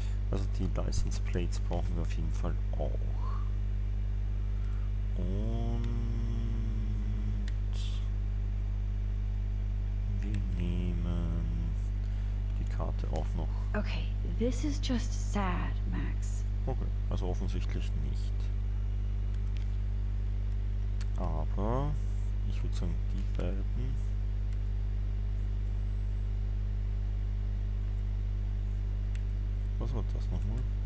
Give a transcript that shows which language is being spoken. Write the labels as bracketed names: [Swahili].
[German] Also die License Plates brauchen wir auf jeden Fall auch. Und wir nehmen die Karte auch noch. [English] Okay, this is just sad, Max. [German] Okay, also offensichtlich nicht. Aber ich würde sagen, die beiden. Was war das nochmal?